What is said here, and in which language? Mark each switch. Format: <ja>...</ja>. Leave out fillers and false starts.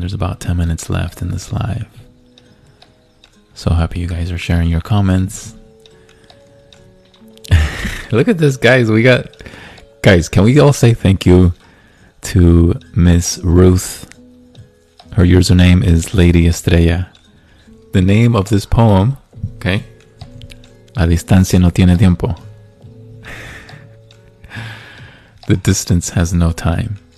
<en>There's about 10 minutes left in this live. So happy you guys are sharing your comments. Look at this, guys. We got, guys, can we all say thank you to Miss Ruth? Her username is Lady Estrella. The name of this poem, okay?</en> <es>La distancia no tiene tiempo.</es> <en>The distance has no time.</en>